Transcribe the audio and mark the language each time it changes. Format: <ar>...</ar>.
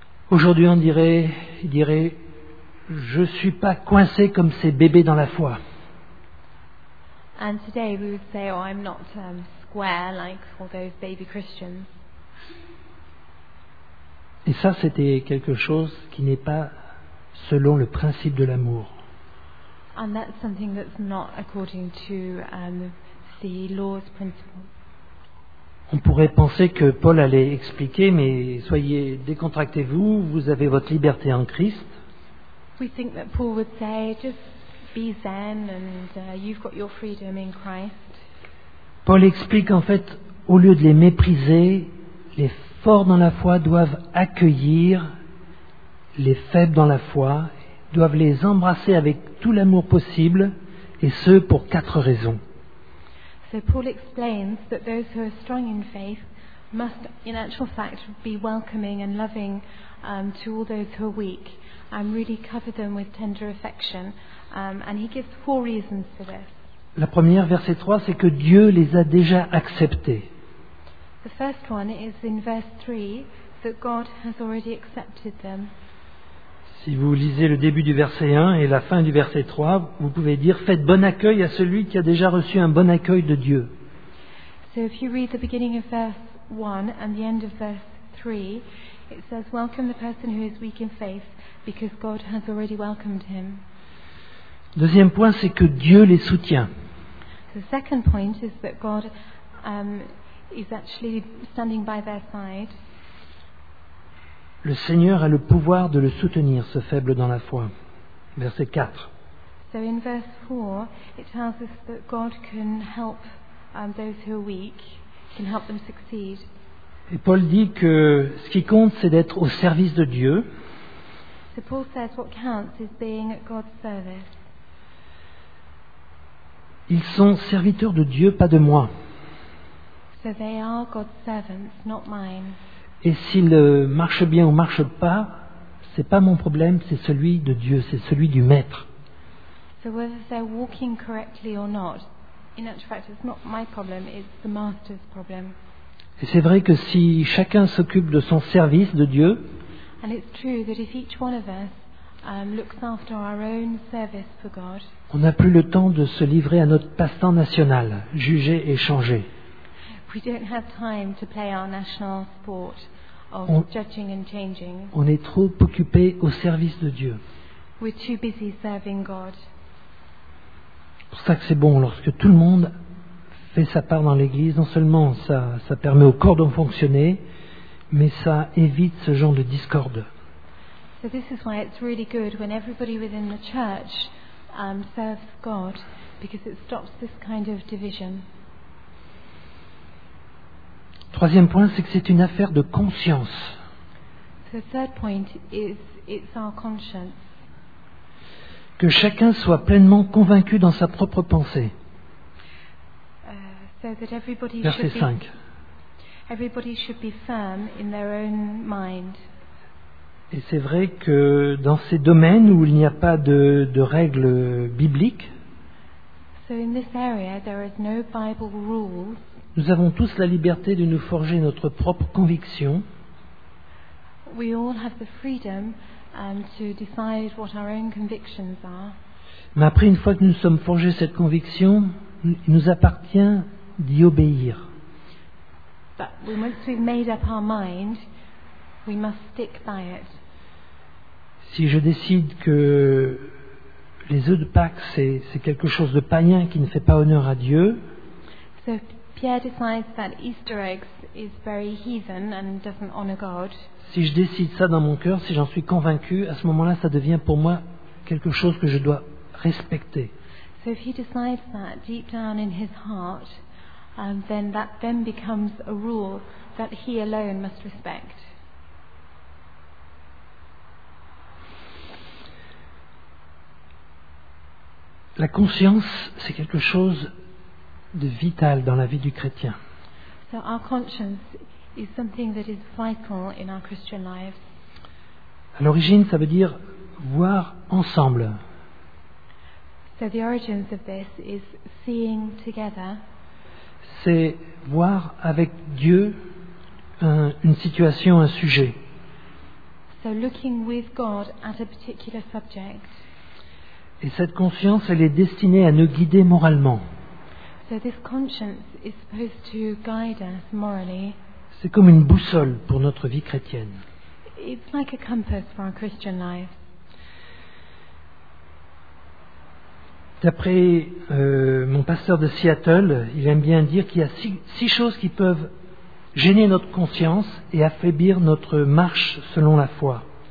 <fr>Aujourd'hui, on dirait, il dirait, je ne suis pas coincé comme ces bébés dans la foi.</fr> <en>And today we would say, oh, I'm not square like all those baby Christians.</en> <fr>Et ça, c'était quelque chose qui n'est pas selon le principe de l'amour.</fr> <en>And that's something that's not according to the law's principle.</en> <fr>On pourrait penser que Paul allait expliquer, mais soyez décontractez-vous, vous avez votre liberté en Christ.</fr> <en>We think that Paul would say, just be zen and you've got your freedom in Christ.</en> <fr>Paul explique en fait, au lieu de les mépriser, les forts dans la foi doivent accueillir les faibles dans la foi, doivent les embrasser avec tout l'amour possible, et ce pour quatre raisons.</fr> <en>So Paul explains that those who are strong in faith must, in actual fact, be welcoming and loving to all those who are weak and really cover them with tender affection. And he gives four reasons for this.</en> <fr>La première, verset 3, c'est que Dieu les a déjà acceptés.</fr> <en>The first one is in verse 3, that God has already accepted them.</en> <fr>Si vous lisez le début du verset 1 et la fin du verset 3, vous pouvez dire « Faites bon accueil à celui qui a déjà reçu un bon accueil de Dieu. »</fr> <en>So if you read the beginning of verse 1 and the end of verse 3, it says « Welcome the person who is weak in faith because God has already welcomed him. »</en> <fr>Deuxième point, c'est que Dieu les soutient.</fr> <en>The second point is that God is actually standing by their side.</en> <fr>Le Seigneur a le pouvoir de le soutenir, ce faible dans la foi. Verset 4.</fr> <en>So in verse 4, it tells us that God can help those who are weak, can help them succeed.</en> <fr>Et Paul dit que ce qui compte, c'est d'être au service de Dieu.</fr> <en>So Paul says what counts is being at God's service.</en> <fr>Ils sont serviteurs de Dieu, pas de moi.</fr> <en>So they are God's servants, not mine.</en> <fr>Et s'il marche bien ou marche pas, c'est pas mon problème, c'est celui de Dieu, c'est celui du maître.</fr> <en>So whether they're walking correctly or not, in actual fact, it's not my problem, it's the master's problem.</en> <fr>Et c'est vrai que si chacun s'occupe de son service de Dieu,</fr> <en>and it's true that if each one of us looks after our own service for God,</en> <fr>on n'a plus le temps de se livrer à notre passe-temps national, juger et changer.</fr> <en>We don't have time to play our national sport of judging and changing.</en> <fr>On est trop occupé au service de Dieu.</fr> <en>We're too busy serving God.</en> <fr>Pour ça que c'est bon lorsque tout le monde fait sa part dans l'église, non seulement ça permet au corps de fonctionner, mais ça évite ce genre de discorde.</fr> <en>So this is why it's really good when everybody within the church serves God, because it stops this kind of division.</en> <fr>Troisième point, c'est que c'est une affaire de conscience.</fr> <en>The third point is, it's our conscience.</en> <fr>Que chacun soit pleinement convaincu dans sa propre pensée.</fr> <en>So that everybody</en> <fr>Verset</fr> <en>should</en> <fr>5.</fr> <en>Be, everybody should be firm in their own mind.</en> <fr>Et c'est vrai que dans ces domaines où il n'y a pas de règles bibliques,</fr> <en>so in this area, there is no Bible rules.</en> <fr>Nous avons tous la liberté de nous forger notre propre conviction.</fr> <en>We all have the freedom, to decide what our own convictions are.</en> <fr>Mais après, une fois que nous sommes forgés cette conviction, il nous appartient d'y obéir.</fr> <en>But once we've made up our mind, we must stick by it.</en> <fr>Si je décide que les œufs de Pâques, c'est quelque chose de païen qui ne fait pas honneur à Dieu,</fr> <en>so, Pierre decides that Easter eggs is very heathen and doesn't honor God.</en> <fr>Si je décide ça dans mon cœur, si j'en suis convaincu, à ce moment-là, ça devient pour moi quelque chose que je dois respecter.</fr> <en>So if he decides that deep down in his heart, then that then becomes a rule that he alone must respect.</en> <fr>La conscience, c'est quelque chose de vital dans la vie du chrétien.</fr> <en>So our conscience is something that is vital in our Christian lives.</en> <fr>À l'origine, ça veut dire voir ensemble.</fr> <en>So the origins of this is seeing together.</en> <fr>C'est voir avec Dieu une situation, un sujet.</fr> <en>So looking with God at a particular subject.</en> <fr>Et cette conscience, elle est destinée à nous guider moralement.</fr> <en>So this conscience is supposed to guide us morally.</en> <fr>C'est comme une boussole pour notre vie chrétienne.</fr> <en>It's like a compass for our Christian life.</en> <fr>D'après mon pasteur de Seattle, il aime bien dire qu'il y a six choses qui peuvent gêner notre conscience et affaiblir notre marche selon la foi.</fr>